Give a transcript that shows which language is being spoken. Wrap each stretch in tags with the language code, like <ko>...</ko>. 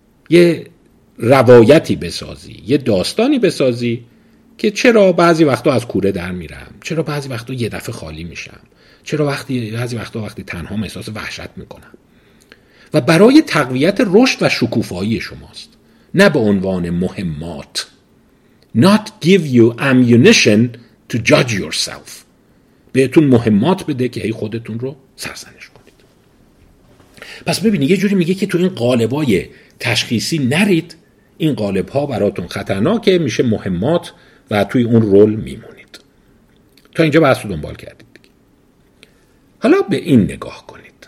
<fa>یه روایتی بسازی، یه داستانی بسازی که چرا بعضی وقتا از کوره در میرم، چرا بعضی وقتا یه دفعه خالی میشم، چرا بعضی وقتا تنها احساس وحشت میکنم. و برای تقویت رشد و شکوفایی شماست، نه به عنوان مهمات.</fa> <en>Not give you ammunition to judge yourself.</en> <fa>بهتون مهمات بده که هی خودتون رو سرزنش کنید. پس ببینید، یه جوری میگه که تو این قالبای تشخیصی نرید، این قالبها براتون خطرناکه، میشه مهمات و توی اون رول میمونید. تا اینجا بحث رو دنبال کردید. حالا به این نگاه کنید.</fa>